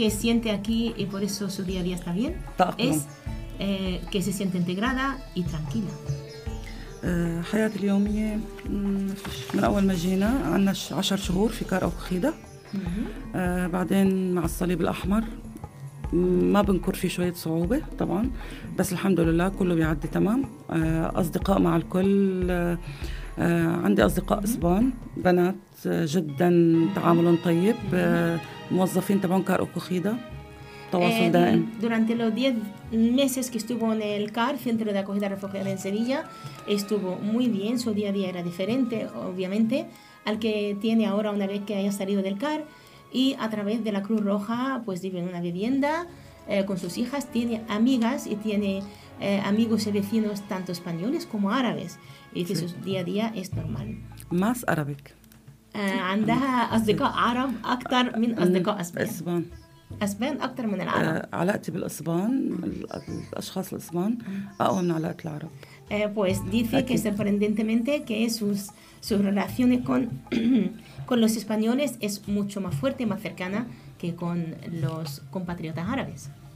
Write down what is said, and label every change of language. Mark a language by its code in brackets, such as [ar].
[es] que siente aquí y por eso su día a día está bien. [ar] طاقم. [es] Que se siente integrada y tranquila. [ar] حياتي اليومية من أول ما جينا عنا 10 شهور في كار أو خيدة. بعدين مع الصليب الأحمر ما بنكر فيه شوية صعوبة طبعا، بس الحمد لله كله بيعدي تمام. أصدقاء مع الكل، عندي أصدقاء إسبان بنات جدا تعاملهم طيب، موظفين تبعون كار أو خيدة تواصل دائم. [es] durante los 10 meses que estuvo en el CAR, Centro de Acogida Refugiada en Sevilla, estuvo muy bien, su día a día era diferente, obviamente, al que tiene ahora una vez que haya salido del CAR, y a través de la Cruz Roja, pues vive en una vivienda con sus hijas, tiene amigas y tiene amigos y vecinos, tanto españoles como árabes, y dice su día a día es normal. Más árabe. [ar] عندها أصدقاء عرب أكثر من أصدقاء أسبان. أسبان أكثر من العرب. علاقتي بالإسبان الأشخاص الإسبان أقوى من علاقة العرب. [es] Pues dice que sorprendentemente que sus relaciones con los españoles es mucho más fuerte y más cercana que con los compatriotas árabes.